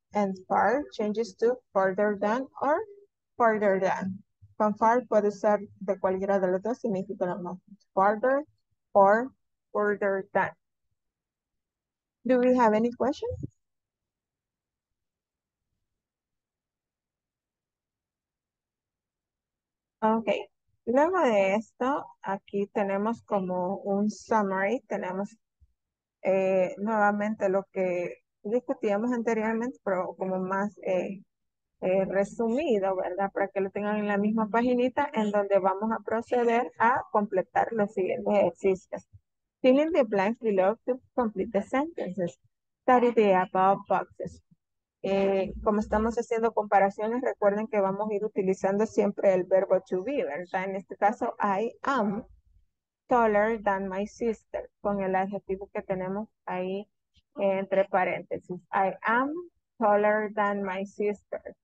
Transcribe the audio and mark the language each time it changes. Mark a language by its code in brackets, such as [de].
[en] And far changes to further than or further than. [es] Con far puede ser de cualquiera de los dos, significa lo mismo. [en] Farther or further than. Do we have any questions? [es] Okay. Luego de esto, aquí tenemos como un summary. Tenemos nuevamente lo que discutíamos anteriormente, pero como más resumido, ¿verdad? Para que lo tengan en la misma paginita, en donde vamos a proceder a completar los siguientes ejercicios. [en] Fill in the blanks below to complete the sentences. Study the above boxes. [es] Como estamos haciendo comparaciones, recuerden que vamos a ir utilizando siempre el verbo to be, ¿verdad? En este caso, [en] I am taller than my sister, [es] con el adjetivo que tenemos ahí entre paréntesis. [en] I am taller than my sister.